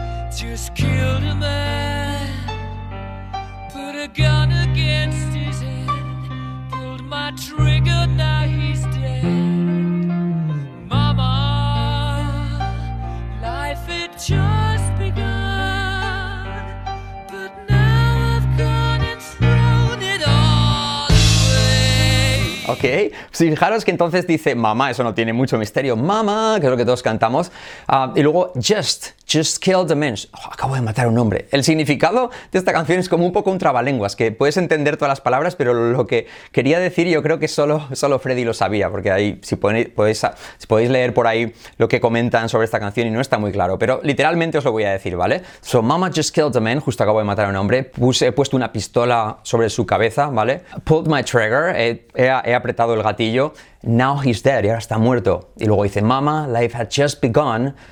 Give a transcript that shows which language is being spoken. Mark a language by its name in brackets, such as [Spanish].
[English] Just killed a man, put a gun against his head, pulled my trigger, now he's dead. Mama, life had just begun, but now I've gone and thrown it all away. [Spanish] Ok, si fijaros que entonces dice mamá, eso no tiene mucho misterio, mamá, que es lo que todos cantamos, y luego [English] Just killed a man. [Spanish] Oh, acabo de matar a un hombre. El significado de esta canción es como un poco un trabalenguas, que puedes entender todas las palabras, pero lo que quería decir yo creo que solo Freddie lo sabía, porque ahí si podéis leer por ahí lo que comentan sobre esta canción y no está muy claro, pero literalmente os lo voy a decir, ¿vale? [English] So, mama just killed a man, [Spanish] justo acabo de matar a un hombre, he puesto una pistola sobre su cabeza, ¿vale? [English] Pulled my trigger, [Spanish] he apretado el gatillo. [English] Now he's dead, [Spanish] y ahora está muerto. Y luego dice, mama, [English] life had just begun.